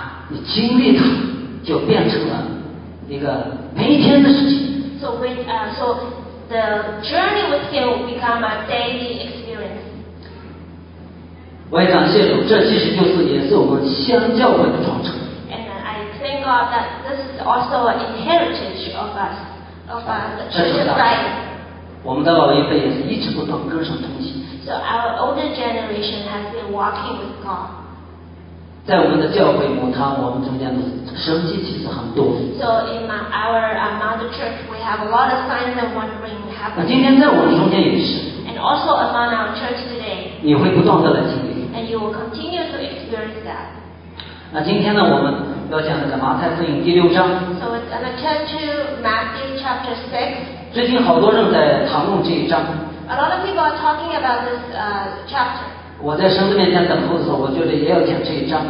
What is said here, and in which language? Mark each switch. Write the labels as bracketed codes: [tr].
[zh] 你经历他，就变成了一个每一天的事情。 [en] So the journey with Him will become a daily experience. [zh] 我也感谢主，这其实就是也是我们新教会的传承。 [en] And I thank God that this is also an inheritance of us, of the church of Christ. [zh] 我们的老一辈也是一直不断跟上同行。 [en] So our older generation has been walking with God. [zh] 在我们的教会母堂，我们中间的神迹其实很多。 [en] So in our mother church, we have a lot of signs and wonderings happening. [zh] 那今天在我们中间也是。 [en] And also among our church today. [zh] 你会不断的来经历。 [en] And you will continue to experience that. [zh] 那今天呢，我们要讲那个马太福音第六章。 [en] So it's going to turn to Matthew chapter 6. [zh] 最近好多人在谈论这一章。 [en] A lot of people are talking about this chapter. [zh] 我在神的面前等候的时候，我觉得也要讲这一章。